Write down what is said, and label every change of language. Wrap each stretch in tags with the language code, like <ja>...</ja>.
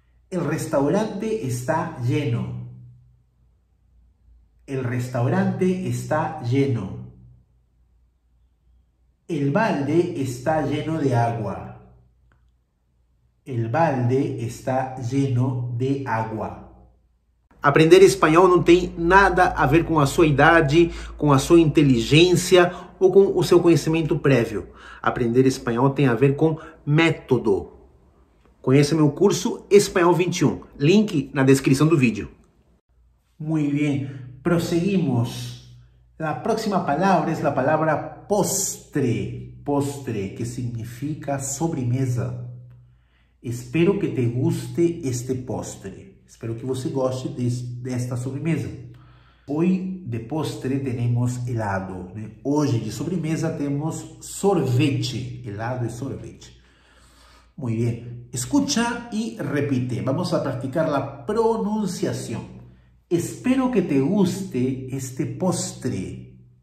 <es>El restaurante está lleno. El restaurante está lleno. El balde está lleno de agua. El balde está lleno de agua.</es> <pt>Aprender español não tem nada a ver com a sua idade, com a sua inteligência ou com o seu conhecimento prévio. Aprender espanhol tem a ver com método. Conheça meu curso Espanhol 21. Link na descrição do vídeo. Muito bem, prosseguimos.</pt> <es>La próxima palabra es la palabra postre, postre, que significa sobremesa. Espero que te guste este postre.</es> <pt>Espero que você goste de esta sobremesa.</pt> <es>Hoy de postre tenemos helado, ¿no? Hoy de sobremesa tenemos sorvete. Helado es sorvete. Muy bien. Escucha y repite. Vamos a practicar la pronunciación. Espero que te guste este postre.</es>